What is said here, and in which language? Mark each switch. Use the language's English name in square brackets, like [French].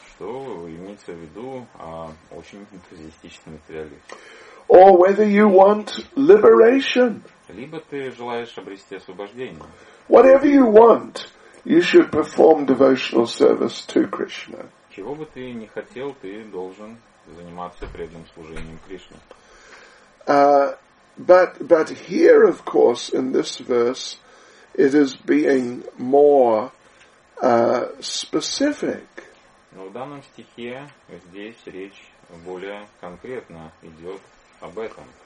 [Russian] Что имеется в виду, очень энтузиастичный материалист. [English] Or whether you want liberation. [Russian] Либо ты желаешь обрести освобождение. [English] Whatever you want, you should perform devotional service to Krishna. [Russian] Чего бы ты ни хотел, ты должен заниматься преданным служением Кришне. [English] But here, of course, in this verse, it is being more specific. [Russian] Но в данном стихе здесь речь более конкретно идет об этом.